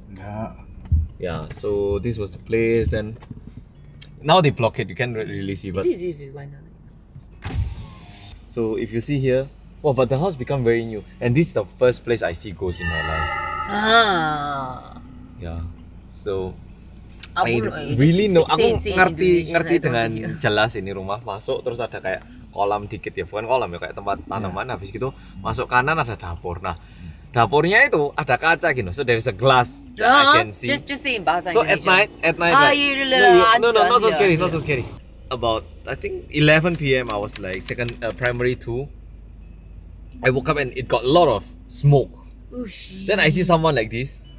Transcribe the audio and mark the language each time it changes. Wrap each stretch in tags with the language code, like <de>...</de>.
<id>Enggak.</id> <en>Yeah, so this was the place. Then now they block it. You can't really see. But is it easy if so if you see here, wow! But the house become very new. And this is the first place I see ghosts in my life. Ah. Yeah. So</en> <id>aku</id> <en>I really know.</en> <id>Aku ngerti dengan jelas ini rumah masuk terus ada kayak kolam dikit ya, bukan kolam ya, kayak tempat tanaman. Habis gitu masuk kanan ada dapur. Nah, dapurnya itu ada kaca gitu.</id> <en>So there is a glass that I can see. Just seeing bahasa so</en> <id>Indonesia.</id> <en>So at night oh, like, no, not so scary. About I think 11 p.m. I was like second primary 2. I woke up and it got a lot of smoke. Ooshie. Then I see someone like this.</en>